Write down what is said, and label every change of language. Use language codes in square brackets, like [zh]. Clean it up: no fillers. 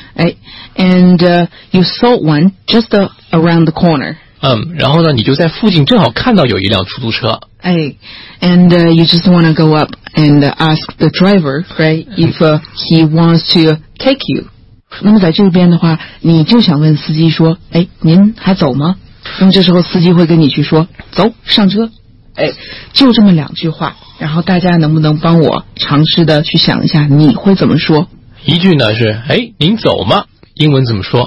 [en] 哎， and you saw one just around the corner. [zh] 然后呢，你就在附近正好看到有一辆出租车。 [en] 哎， and you just want to go up and ask the driver, right, if he wants to take you. [zh] 那么在这边的话，你就想问司机说，哎，您还走吗？那么这时候司机会跟你去说，走，上车。哎，就这么两句话，然后大家能不能帮我尝试的去想一下，你会怎么说？一句呢是，哎，您走吗？英文怎么说？